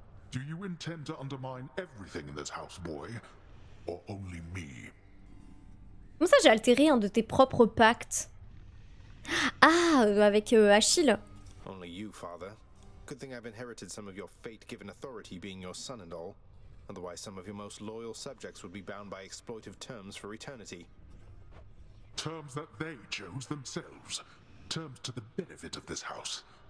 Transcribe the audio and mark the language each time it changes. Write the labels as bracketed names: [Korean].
[English] Do you intend to undermine everything in this house, boy? Or only me? [French] Comment ça, j'ai altéré un de tes propres pactes? Ah, avec Achille. [English] Only you, father. Good thing I've inherited some of your fate-given authority, being your son and all. Otherwise, some of your most loyal subjects would be bound by exploitive terms for eternity. Terms that they chose themselves. Terms to the benefit of this house.